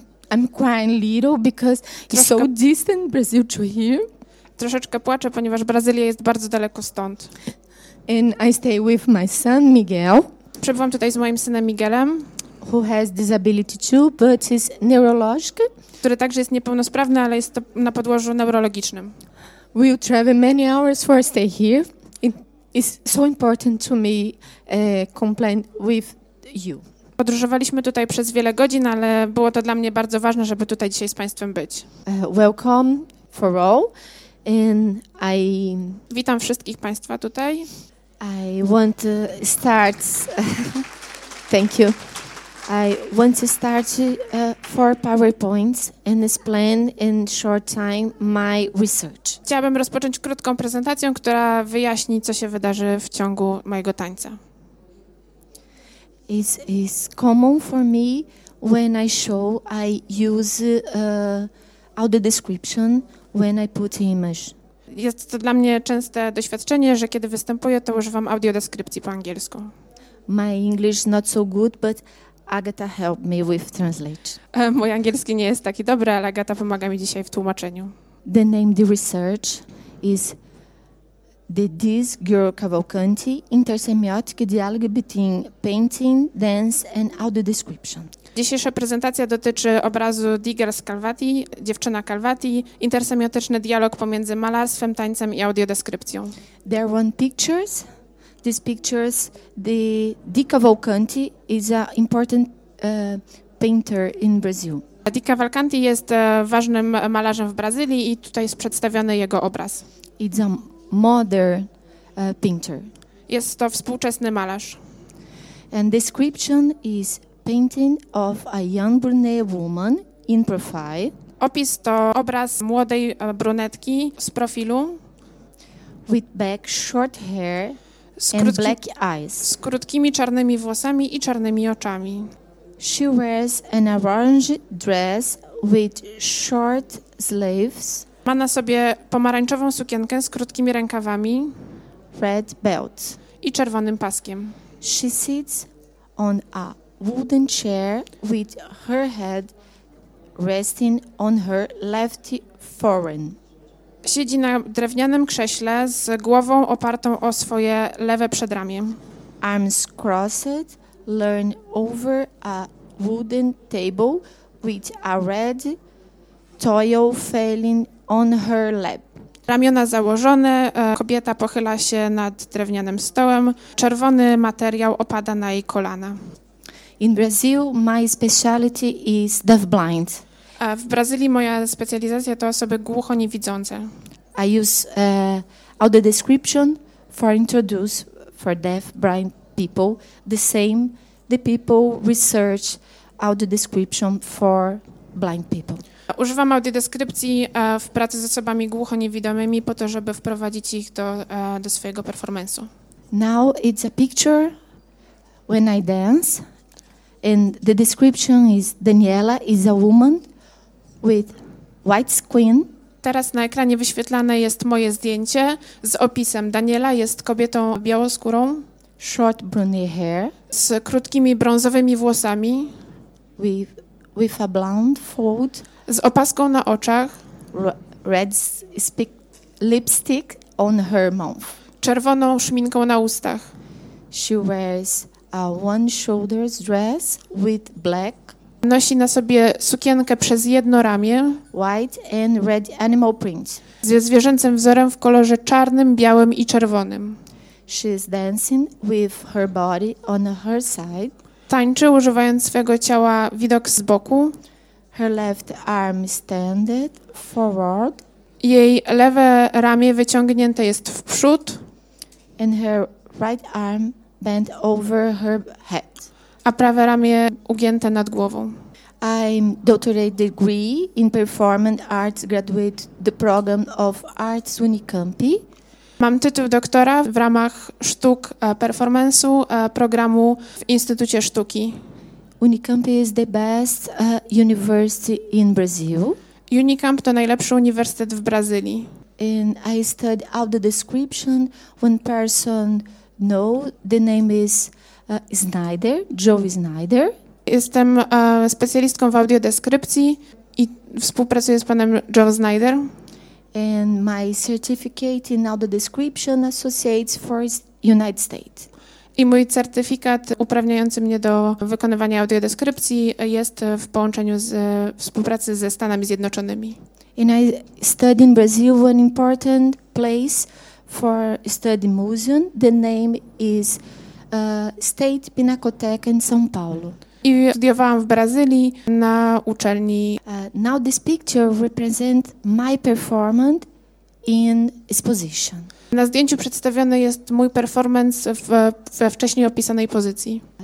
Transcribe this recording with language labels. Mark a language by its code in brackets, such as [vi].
[en] I'm crying little because it's so distant Brazil to here. [pl] Troszeczkę płaczę, ponieważ Brazylia jest bardzo daleko stąd. [en] And I stay with my son Miguel. [pl] Przebywam tutaj z moim synem Miguelem, [en] who has disability too, but is neurological. [pl] Który także jest niepełnosprawny, ale jest to na podłożu neurologicznym. [en] We travel many hours for stay here. It is so important to me complain with you. [pl] Podróżowaliśmy tutaj przez wiele godzin, ale było to dla mnie bardzo ważne, żeby tutaj dzisiaj z państwem być. [en] Welcome for all. And I [pl] witam wszystkich państwa tutaj. [en] I want to start thank you. I want to start for PowerPoints and explain in short time my research. [pl] Chciałabym rozpocząć krótką prezentacją, która wyjaśni, co się wydarzy w ciągu mojego tańca. [en] It is common for me when I show, I use all the description when I put image. [pl] Jest to dla mnie częste doświadczenie, że kiedy występuję, to używam audiodeskrypcji po angielsku. [en] My English not so good, but Agata helped me with translate. [pl] Mój angielski nie jest taki dobry, ale Agata pomaga mi dzisiaj w tłumaczeniu. [en] The name the research is The This Girl Cavalcanti, intersemiotic dialogue between painting, dance and audio description. [pl] Dzisiejsza prezentacja dotyczy obrazu Digger z Calvati, dziewczyna Calvati, intersemiotyczny dialog pomiędzy malarstwem, tańcem i audiodeskrypcją. [en] There are one pictures. These pictures, the Di Cavalcanti is an important painter in Brazil. [pl] Di Cavalcanti jest ważnym malarzem w Brazylii i tutaj jest przedstawiony jego obraz. [en] It's a modern painter. [pl] Jest to współczesny malarz. [en] And description is painting of a young brunette woman in profile. [pl] Opis to obraz młodej brunetki z profilu. [en] With back short hair and black eyes. [pl] Z krótkimi czarnymi włosami i czarnymi oczami. [en] She wears an orange dress with short sleeves. [pl] Ma na sobie pomarańczową sukienkę z krótkimi rękawami. [en] Red belt. [pl] I czerwonym paskiem. [en] She sits on a wooden chair with her head resting on her left forearm. [pl] Siedzi na drewnianym krześle z głową opartą o swoje lewe przedramię. [en] Arms crossed, lean over a wooden table with a red towel falling on her lap. [pl] Ramiona założone, kobieta pochyla się nad drewnianym stołem, czerwony materiał opada na jej kolana. [en] In Brazil, my specialty is deafblind. [pl] W Brazylii moja specjalizacja to osoby głucho niewidzące. [en] I use audio description for introduce for deafblind people, the same the people research audio description for blind people. [pl] Używam audiodeskrypcji w pracy z osobami głuchoniewidomymi po to, żeby wprowadzić ich do swojego performance'u. [en] Now it's a picture when I dance and the description is Daniela is a woman with white skin. [pl] Teraz na ekranie wyświetlane jest moje zdjęcie z opisem Daniela jest kobietą białoskórą. [en] Short brunette hair. [pl] Z krótkimi brązowymi włosami. [en] With a blonde fold. [pl] Z opaską na oczach, [en] red lipstick on her mouth. [pl] Czerwoną szminką na ustach. [en] She wears a one shoulders dress with black. [pl] Nosi na sobie sukienkę przez jedno ramię, [en] white and red animal print. [pl] Ze zwierzęcym wzorem w kolorze czarnym, białym i czerwonym. [en] She is dancing with her body on her side. [pl] Tańczy używając swego ciała widok z boku. [en] Her left arm extended forward. [pl] Jej lewe ramię wyciągnięte jest w przód. [en] And her right arm bent over her head. [pl] a prawe ramię ugięte nad głową. [en] I'm doctorate degree in performing arts graduate the program of arts Unicampi. [pl] Mam tytuł doktora w ramach sztuk performance'u programu w Instytucie Sztuki. [en] Unicampi is the best university in Brazil. [pl] Unicamp to najlepszy uniwersytet w Brazylii. [en] And I studied out the description. One person know the name is Snyder, Joe Snyder. [pl] Jestem specjalistką w audiodeskrypcji i współpracuję z panem Joe Snyder. [en] And my certificate in audiodescription associates for United States. [pl] I mój certyfikat uprawniający mnie do wykonywania audiodeskrypcji jest w połączeniu z współpracy ze Stanami Zjednoczonymi. [en] And I studied in Brazil one important place for study museum. The name is State Pinacoteca in São Paulo. [pl] I studiowałam w Brazylii na uczelni. [en] Now this picture represent my performance in exposition. [pl] Na zdjęciu przedstawiony jest mój performance we wcześniej opisanej pozycji.